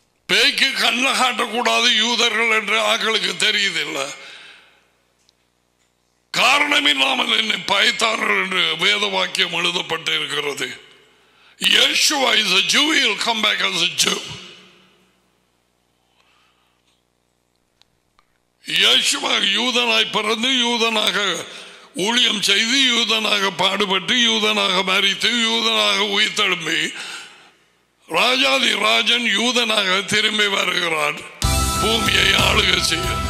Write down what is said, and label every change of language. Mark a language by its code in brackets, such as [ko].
[ta] பேய்க்கு கண்ண காட்டக்கூடாது யூதர்கள் என்று ஆக்களுக்கு தெரியுதில்லை. காரணம் இல்லாமல் என்னை பயத்தார்கள் என்று வேத வாக்கியம் எழுதப்பட்டிருக்கிறது. [en] Yeshua is a Jew, he will come back as a Jew. [ta] Yeshua யூதனாய் பிறந்து யூதனாக ஊழியம் செய்து யூதனாக பாடுபட்டு யூதனாக மரித்து யூதனாக உயிர்த்தெழும்பி ராஜாதி ராஜன் யூதனாக திரும்பி வருகிறார் பூமியை ஆளுக செய்ய.